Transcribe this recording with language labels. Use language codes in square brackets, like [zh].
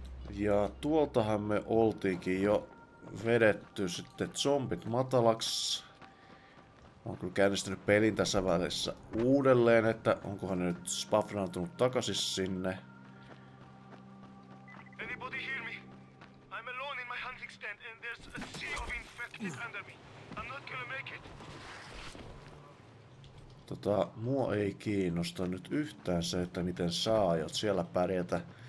[fi] Ja tuoltahan me oltiinkin jo vedetty sitten zombit matalaks. Mä oon kyllä käynnistänyt pelin tässä välissä uudelleen, että onkohan ne nyt spafraantunut takaisin sinne. [en] Anybody hear me? I'm alone in my hunting stand and there's a sea of infected under me. I'm not gonna make it. [fi] Mua ei kiinnosta nyt yhtään se, että miten sä aiot siellä pärjätä.